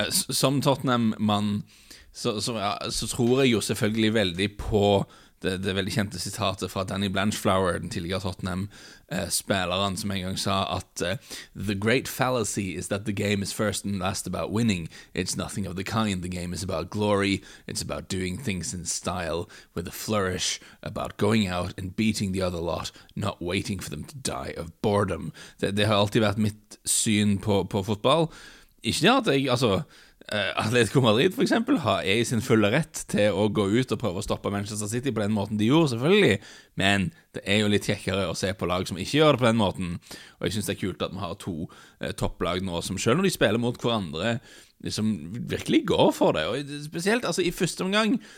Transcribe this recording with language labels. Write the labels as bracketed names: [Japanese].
[Norwegian] Som Tottenham-mann så tror jeg jo selvfølgelig veldig på det veldig kjente sitatet fra Danny Blanchflower, den tidligere Tottenham-spilleren, som en gang sa at [English] «The great fallacy is that the game is first and last about winning. It's nothing of the kind. The game is about glory. It's about doing things in style with a flourish, about going out and beating the other lot, not waiting for them to die of boredom.» [Norwegian] Det har alltid vært mitt syn på fotball. Ikke det at jeg, altså Atletico Madrid for eksempel har I sin fulle rett til å gå ut og prøve å stoppe Manchester City på den måten de gjorde selvfølgelig, men det jo litt kjekkere å se på lag som ikke gjør det på den måten, og jeg synes det kult at man har to topplag nå som selv når de spiller mot hverandre liksom virkelig går for det, og spesielt altså I første omgang